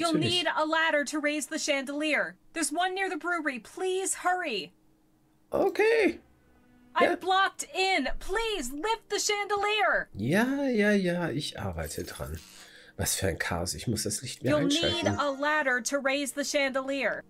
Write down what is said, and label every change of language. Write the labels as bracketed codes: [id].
[en] You'll need a ladder to raise the chandelier. There's one near the brewery, please hurry. Okay. I'm blocked in, please lift the chandelier. [de] Ja, ich arbeite dran. Was für ein Chaos, ich muss das Licht wieder einschalten. [en] You'll need a ladder to raise the chandelier.